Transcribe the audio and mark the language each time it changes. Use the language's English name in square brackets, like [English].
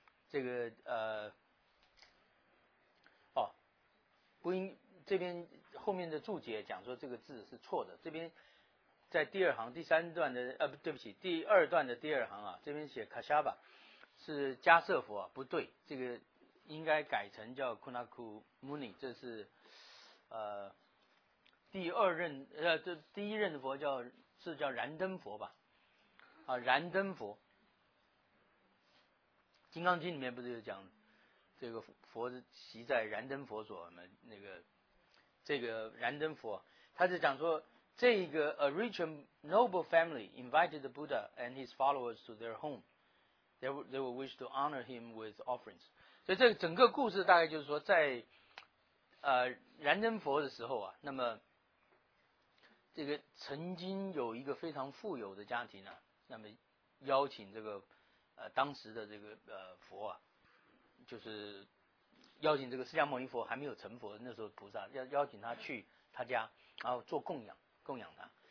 [Chinese] 这个这边后面的注解讲说这个字是错的，这边在第二行第三段的对不起，第二段的第二行啊，这边写卡夏巴是迦瑟佛啊，不对，这个应该改成叫库纳库穆尼，这是第一任的佛叫燃灯佛吧，啊，燃灯佛。金刚经里面不是有讲这个佛习在燃灯佛所吗？那个这个燃灯佛他是讲说，这个 [English] a rich and noble family invited the Buddha and his followers to their home. They will wish to honor him with offerings. [Chinese] 所以这个整个故事大概就是说，在燃灯佛的时候啊，那么这个曾经有一个非常富有的家庭啊，那么邀请这个当时的这个佛啊，就是邀请这个释迦牟尼佛还没有成佛，那时候菩萨邀请他去他家，然后做供养他。